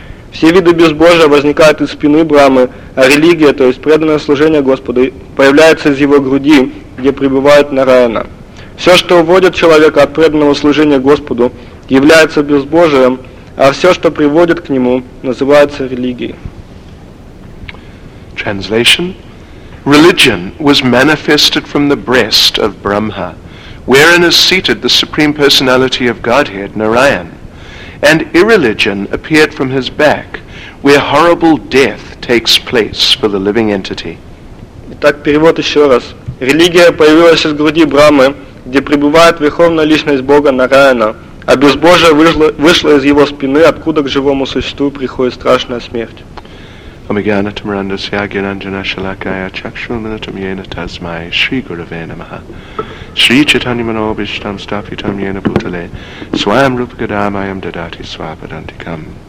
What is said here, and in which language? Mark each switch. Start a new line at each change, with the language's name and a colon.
Russian: Все виды безбожия возникают из спины Брамы, а религия, то есть преданное служение Господу, появляется из его груди, где пребывает Нараяна. Все, что уводит человека от преданного служения Господу, является безбожием, а все, что приводит к нему, называется религией.
English: Translation: Religion was manifested from the breast of Brahma, wherein is seated the Supreme Personality of Godhead, Narayan, and irreligion appeared from his back, where horrible death takes place for the living entity.
Russian: Итак, перевод еще раз. Религия появилась из груди Брамы, где пребывает верховная личность Бога Нараяна, а безбожие вышло из его спины, откуда к живому существу приходит страшная смерть.
Sanskrit: Омиганатам рандасья гинанджана шалакая чакшулминатам йена тазмай шри гуравей намаха шри читани манобиштам стафитам йена путале свайам рупгадамайам дадати свападантикам